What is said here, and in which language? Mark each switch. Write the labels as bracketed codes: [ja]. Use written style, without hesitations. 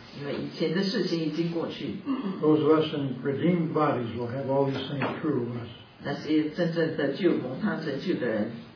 [zh] 因为以前的事情已经过去, [en] those of us in redeemed bodies will have all these things true of us. [zh] 那些真正的救蒙他成就的人,